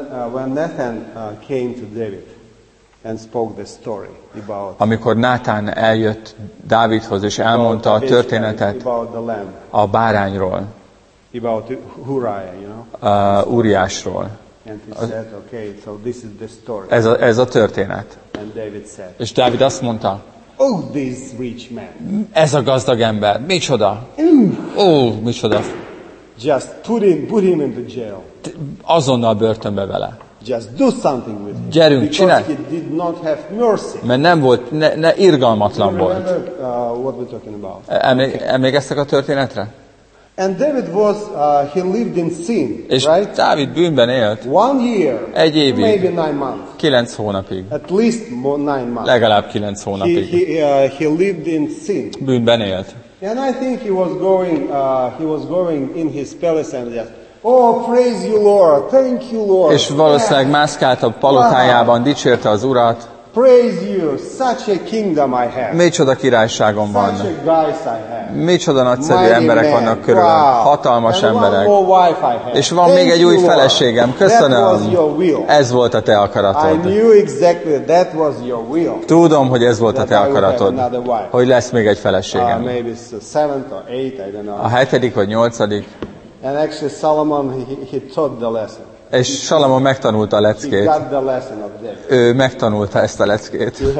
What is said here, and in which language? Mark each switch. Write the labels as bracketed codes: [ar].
[en] When Nathan came to David and spoke the story about, [hu] amikor Nátán eljött Dávidhoz és elmondta a történetet a bárányról, [en] about Uriah, you know, [hu] Úriásról. [en] And he said, okay, so this is the story. [hu] Ez a történet. [en] And David said, [hu] és Dávid azt mondta, [en] oh, this rich man. [hu] Ez a gazdag ember. Micsoda. Micsoda. [en] Just put him in the jail. [hu] Azonnal börtönbe vele. [en] Just do something with him. [hu] Gyerünk, [en] because [hu] csinálj. [en] He did not have mercy. [hu] Mert nem volt, ne irgalmatlan volt. [en] What we're talking about. [hu] Emlékeztek a történetre? [en] And David was he lived in sin, [hu] és [en] right? [hu] Dávid bűnben élt. [en] One year. [hu] Egy évig. [en] Maybe 9 months. [hu] 9 hónapig. [en] At least 9 months. [hu] Legalább 9 hónapig. [en] He lived in sin. [hu] Bűnben élt. [en] And I think he was going in his palace and just, oh, praise you, Lord. Thank you, Lord. [hu] És valószínűleg mászkált a palotájában, dicsérte az Urat. [en] Praise you, such a kingdom I have. [hu] Micsoda királyságom van. [en] Such a guys I have. [hu] Micsoda nagyszerű emberek vannak körülöm. [en] Wow. [hu] Hatalmas [en] and [hu] emberek. [en] One more wife I have. [hu] És van Thank még egy új feleségem. Köszönöm. [en] That was your will. [hu] Ez volt a te akaratod. [en] I knew exactly that was your will. [hu] Tudom, hogy ez volt a te akaratod. Hogy lesz még egy feleségem. [en] Maybe it's the 7th or 8th, I don't know. [hu] A 7. vagy 8. [en] And actually Solomon he taught the lesson. [hu] És Salamon megtanulta a leckét. Ő megtanulta ezt a leckét.